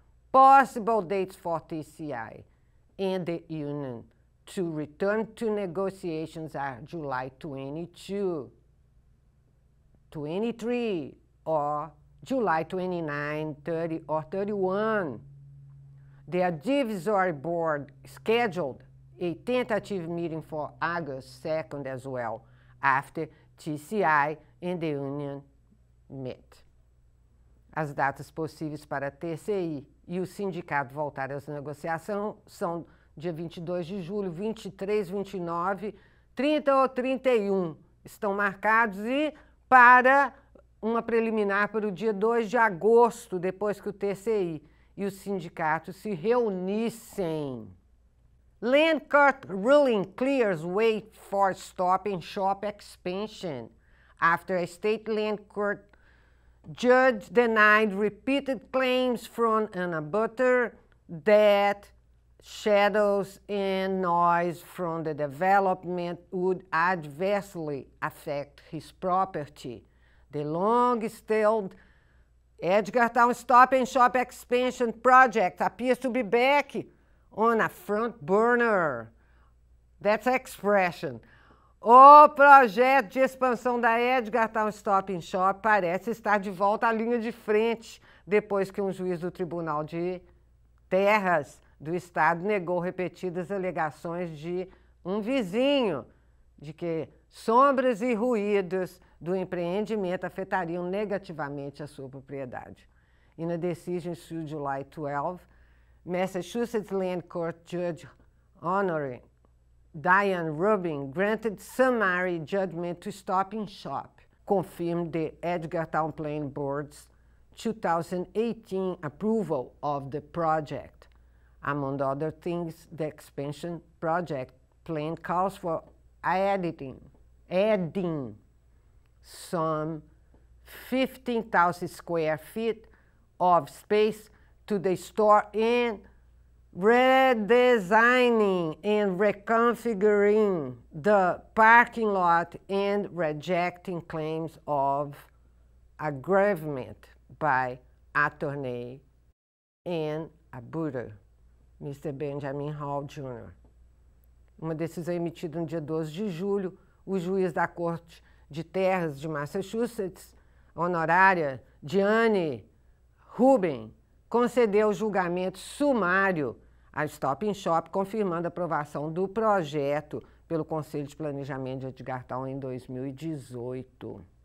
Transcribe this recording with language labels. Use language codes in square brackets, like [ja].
[en] Possible dates for TCI and the union to return to negotiations are July 22, 23, or July 29, 30, or 31. Their divisory board scheduled a tentative meeting for August 2nd as well, after TCI and the union met. [pt] As datas possíveis para TCI e o sindicato voltar às negociações são dia 22 de julho, 23, 29, 30 ou 31. Estão marcados e para uma preliminar para o dia 2 de agosto, depois que o TCI e o sindicato se reunissem. [en] Land court ruling clears way for stop and shop expansion after a state land court judge denied repeated claims from an abutter that shadows and noise from the development would adversely affect his property. The long-stalled Edgartown Stop and Shop expansion project appears to be back on a front burner. That's an expression. [pt] O projeto de expansão da Edgartown Stop and Shop parece estar de volta à linha de frente depois que um juiz do Tribunal de Terras do Estado negou repetidas alegações de um vizinho de que sombras e ruídos do empreendimento afetariam negativamente a sua propriedade. [en] In a decision issued July 12, Massachusetts Land Court Judge Honoring Diane Rubin granted summary judgment to Stop and Shop, confirmed the Edgartown Planning Board's 2018 approval of the project. Among other things, the expansion project plan calls for adding some 15,000 square feet of space to the store and redesigning and reconfiguring the parking lot and rejecting claims of aggravement by attorney and abutter, Mr. Benjamin Hall Jr. [pt] uma decisão emitida no dia 12 de julho, o juiz da Corte de Terras de Massachusetts, honorária Diane Rubin, concedeu julgamento sumário à Stop and Shop, confirmando a aprovação do projeto pelo Conselho de Planejamento de Edgar Town em 2018.